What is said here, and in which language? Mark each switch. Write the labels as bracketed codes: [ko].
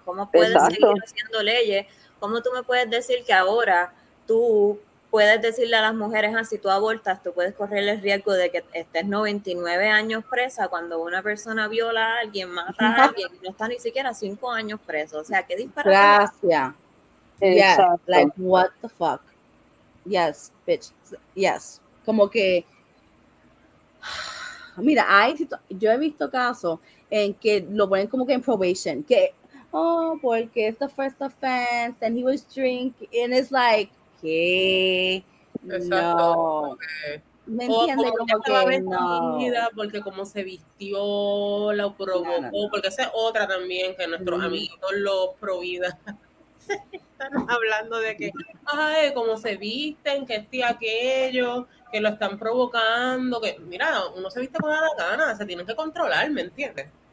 [es] ¿Cómo puedes seguir haciendo leyes? ¿Cómo tú me puedes decir que ahora tú puedes decirle a las mujeres, si tú abortas, tú puedes correr el riesgo de que estés 99 años presa cuando una persona viola a alguien, mata a alguien, y no está ni siquiera 5 años preso? O sea, qué disparate. Gracias. [en] Yeah, like, what the fuck? Yes, bitch. Yes. [es] Como que... Mira, yo he visto casos en que lo ponen como que en probation. Que, oh, porque [en] it's the first offense, and he was drinking, and it's like, [es] ¿qué? Exacto. No. Okay. ¿Me entiendes? Como que no. Porque como se vistió, lo provocó, porque esa es otra también, que nuestros amiguitos lo prohibían. Están hablando de que, ay, cómo se visten, que este aquello, que lo están provocando, que mira, uno se viste con la gana, se tienen que controlar, ¿me entiendes?